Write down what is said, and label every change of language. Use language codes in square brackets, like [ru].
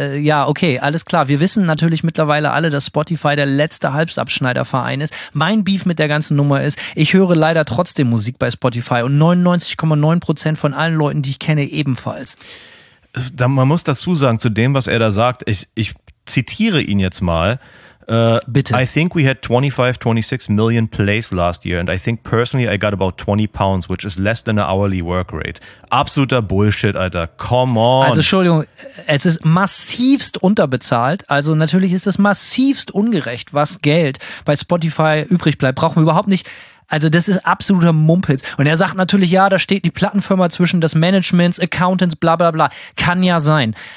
[de] Ja, okay, alles klar. Wir wissen natürlich mittlerweile alle, dass Spotify der letzte Halbsabschneiderverein ist. Mein Beef mit der ganzen Nummer ist, ich höre leider trotzdem Musik bei Spotify und 99,9% von allen Leuten, die ich kenne, ebenfalls. Man muss dazu sagen, zu dem, was er da sagt, ich zitiere ihn jetzt mal. Bitte. [en] I think we had 25, 26 million plays last year and I think personally I got about 20 pounds, which is less than an hourly work rate. [de] Absoluter Bullshit, Alter. [en] Come on. [de] Also Entschuldigung, es ist massivst unterbezahlt. Also natürlich ist es massivst ungerecht, was Geld bei Spotify übrig bleibt. Brauchen wir überhaupt nicht... Also das ist absoluter Mumpitz. Und er sagt natürlich, ja, da steht die Plattenfirma zwischen des Managements, Accountants, bla bla bla. Kann ja sein.